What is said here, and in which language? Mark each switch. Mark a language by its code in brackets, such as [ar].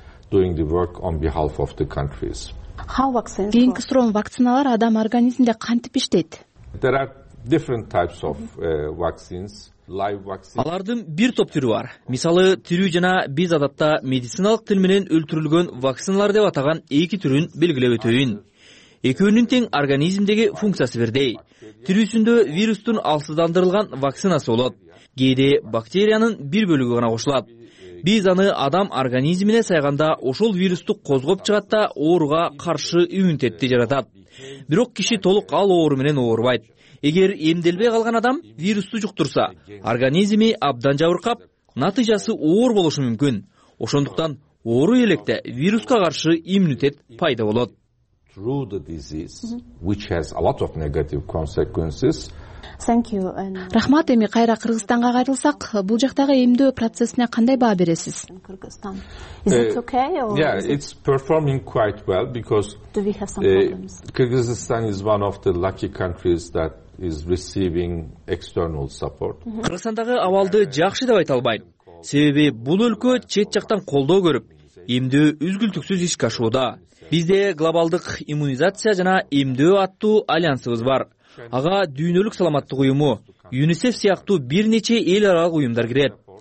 [en] Doing the work on behalf of the countries. How vaccines? [ky] Кийинки суроом вакциналар адам организминде кантип иштейт? [en] There are different types of vaccines. Live vaccines. [ky] Алардын бир топ түрү бар. Мисалы, тирүү жана биз адатта медициналык тил менен өлтүрүлгөн вакциналар деп атаган эки түрүн белгилеп өтөйүн. Экөөнүн тең организмдеги функциясы бирдей. Тирүүсүндө вирустун алсыздандырылган вакцинасы болот. Кээде бактериянын бир бөлүгү гана кошулат. Биз аны адам организмине сайганда ошол вирусту козгоп чыгат да ооруга каршы иммунитетти жаратат. Бирок киши толук ал оору менен оорубайт. Эгер эмделбей калган адам вирусту жуктурса, организми абдан жабыркап, натыйжасы оор болушу мүмкүн. Ошондуктан оору электе вируска каршы иммунитет пайда болот. [en] Through the disease, which has a lot of negative consequences. Thank you. [ky] Рахмат, эми кайра Кыргызстанга кайрылсак, бул жактагы эмдөө процессине кандай баа бересиз? [en] It's performing quite well because Do we have some problems? Kyrgyzstan is one of the lucky countries that is receiving external support. [ky] Кыргызстандагы абалды жакшы деп айта албайм. Себеби бул өлкө чет жактан колдоо көрүп, эмдөө үзгүлтүксүз ишке ашууда. Бизде глобалдык иммунизация жана эмдөө аттуу альянсыбыз бар. Ага дүйнөлүк саламаттык уюму, ЮНИСЕФ сыяктуу бир нече эл аралык уюмдар кирет.